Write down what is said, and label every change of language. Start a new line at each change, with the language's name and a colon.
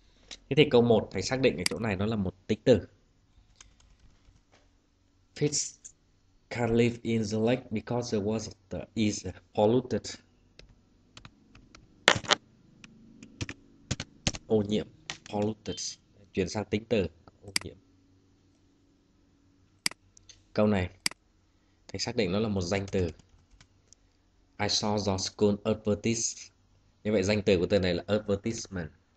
Vietnamese: Thế thì câu 1 phải xác định ở chỗ này nó là một tính từ.
English: Fish can't live in the lake because the water is polluted.
Vietnamese: Ô nhiễm, polluted, chuyển sang tính từ, ô nhiễm. Câu này thầy xác định nó là một danh từ.
English: I saw the school advertisement.
Vietnamese: Như vậy danh từ của từ này là advertisement.